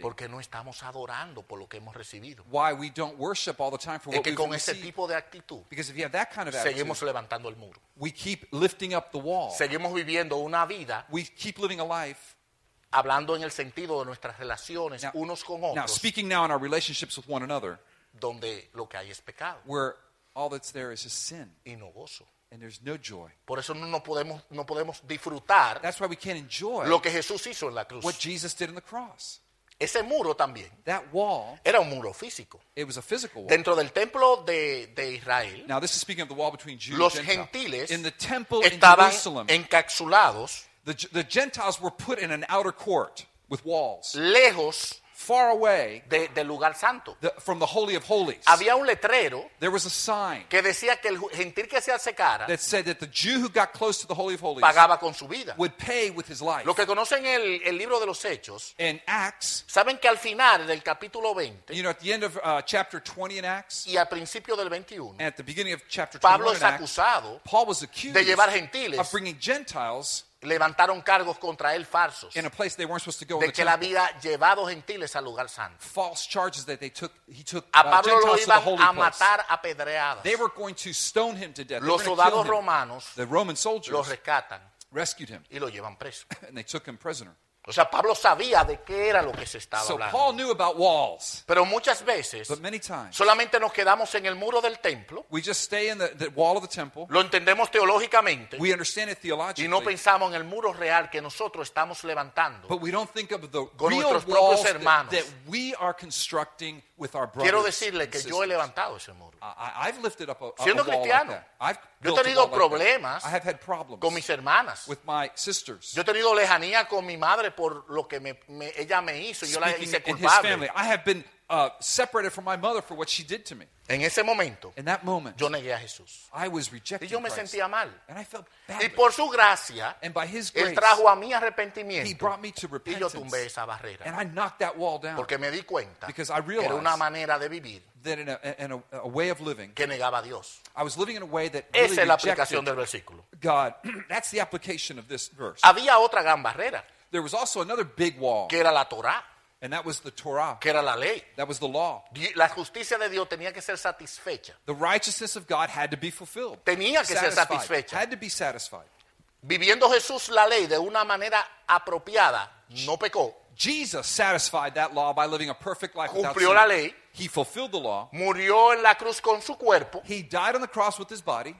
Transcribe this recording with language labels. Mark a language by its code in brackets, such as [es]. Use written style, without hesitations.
[es] Porque no estamos adorando por lo que hemos recibido. [en] Why we don't worship all the time for [es] es [en] what we've received. [es] Es que con ese tipo de actitud. [en] Because if you have that kind of [es] seguimos [en] attitude, [es] levantando el muro. [en] We keep lifting up the wall. [es] Seguimos viviendo una vida. [en] We keep living a life. [es] Hablando en el sentido de nuestras relaciones [en] now, [es] unos con otros. [en] Now speaking now in our relationships with one another. [es] Donde lo que hay es pecado. [en] Where all that's there is a sin. [es] Y no gozo. [en] And there's no joy. [es] Por eso no podemos disfrutar. [en] That's why we can't enjoy [es] lo que Jesús hizo en la cruz. [en] What Jesus did in the cross. [es] Ese muro también. [en] That wall. [es] Era un muro físico. [en] It was a physical wall. [es] Dentro del templo de Israel. [en] Now this is speaking of the wall between Jews. [es] Los gentiles [en] in the temple in Jerusalem. [es] Encapsulados. [en] The Gentiles were put in an outer court with walls. [es] Lejos. [en] Far away [es] del lugar santo. [en] From the Holy of Holies. [es] Había un letrero. [en] There was a sign. [es] Que decía que el gentil que se acercara. [en] That said that the Jew who got close to the Holy of Holies. [es] Pagaba con su vida. [en] Would pay with his life. [es] Lo que conocen el libro de los hechos. [en] In Acts. [es] Saben que al final del capítulo 20. [en] You know at the end of chapter 20 in Acts. [es] Y al principio del 21. [en] At the beginning of chapter 21 [es] Pablo es acusado. [en] Paul was accused. [es] De llevar gentiles. [en] Of bringing Gentiles. [es] Levantaron cargos contra él falsos [en] in a place they weren't supposed to go [es] de que él había llevado gentiles al lugar santo. [en] False charges that they took, he took [es] a Pablo [en] Gentiles [es] lo iban [en] to the holy [es] a matar apedreados. [en] They were going to stone him to death. [es] Los soldados romanos [en] the Roman soldiers [es] lo rescatan [en] rescued him [es] y lo llevan preso. [en] And they took him prisoner. [es] O sea, Pablo sabía de qué era lo que se estaba [en] so [es] hablando. [en] Paul knew about walls. [es] Pero muchas veces [en] but many times, [es] solamente nos quedamos en el muro del templo. [en] We just stay in the wall of the temple. [es] Lo entendemos teológicamente. [en] We understand it theologically. [es] Y no pensamos en el muro real que nosotros estamos levantando. [en] But we don't think of the [es] con [en] real [es] nuestros propios [en] walls [es] hermanos. [en] That we are constructing with our brothers. [es] Quiero decirle que [en] sisters. [es] Yo he levantado ese muro. [en] I've lifted up a [es] siendo cristiano, [en] wall like that. [es] Yo he tenido problemas [en] like I have had problems [es] con mis hermanas. [en] With my sisters. [es] Yo he tenido lejanía con mi madre por lo que ella me hizo. Yo la hice culpable. [en] In his family, I have been separated from my mother for what she did to me. [es] En ese momento, [en] in that moment, [es] yo negué a Jesús. [en] I was rejecting [es] y yo me [en] Christ. [es] Sentía mal. [en] And I felt badly. [es] Y por su gracia, [en] and by his grace, [es] él trajo a mi arrepentimiento. [en] He brought me to repentance. [es] Y yo tumbé esa barrera. [en] And I knocked that wall down. [es] Porque me di cuenta [en] because I realized [es] era una manera de vivir [en] that in a way of living [es] que negaba a Dios. [en] I was living in a way that [es] esa es la aplicación del versículo. [en] God. That's the application of this verse. [es] Había otra gran barrera. [en] There was also another big wall. [es] Que era la Torá. [en] And that was the Torah. [es] Que era la ley. [en] That was the law. [es] La justicia de Dios tenía que ser satisfecha. [en] The righteousness of God had to be fulfilled. [es] Tenía que ser satisfecha. [en] Had to be satisfied. [es] Viviendo Jesús la ley de una manera apropiada, no pecó. [en] Jesus satisfied that law by living a perfect life without [es] sin. La ley. [en] He fulfilled the law. [es] Murió en la cruz con su cuerpo. [en] He died on the cross with his body.